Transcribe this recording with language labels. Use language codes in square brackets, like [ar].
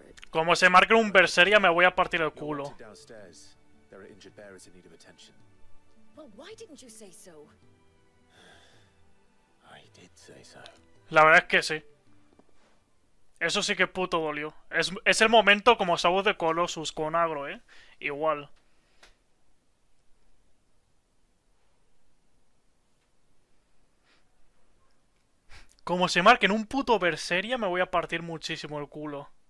[es] Como se marque un Berseria, me voy a partir el culo. [en] Well, why didn't you say so? I did say so. [es] La verdad es que sí. Eso sí que puto dolió. Es el momento como Sabo de Colossus con Agro, ¿eh? Igual. Como se marque en un puto Berseria, me voy a partir muchísimo el culo.